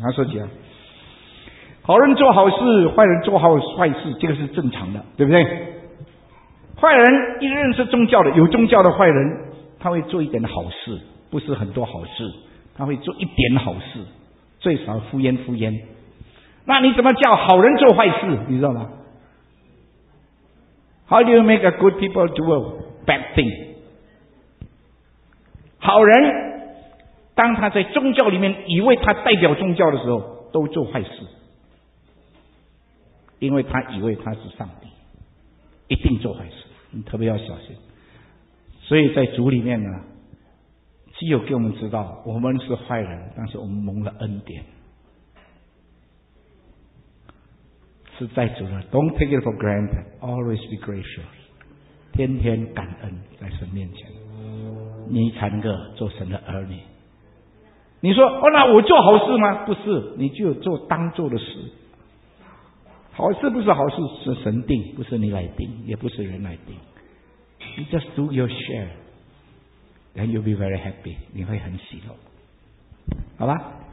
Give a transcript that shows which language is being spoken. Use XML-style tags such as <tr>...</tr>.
<zh>他说起来，好人做好事，坏人做好坏事，这个是正常的，对不对？坏人一认识宗教的，有宗教的坏人，他会做一点好事，不是很多好事，他会做一点好事，最少敷衍敷衍。那你怎么叫好人做坏事？你知道吗？</zh> <en>How do you make a good people do a bad thing?</en> <zh>好人当他在宗教里面以为他代表宗教的时候都做坏事，因为他以为他是上帝，一定做坏事，你特别要小心。所以在主里面呢，基友给我们知道我们是坏人，但是我们蒙了恩典，是在主的。</zh> <en>Don't take it for granted, always be gracious,</en> <zh>天天感恩在神面前，你才能够做神的儿女。你说哦，那我做好事吗？不是，你就有做当做的事。好事不是好事，是神定，不是你来定，也不是人来定。你</zh> <en>just do your share, then you'll be very happy，</en> <zh>你会很喜乐，好吧？</zh>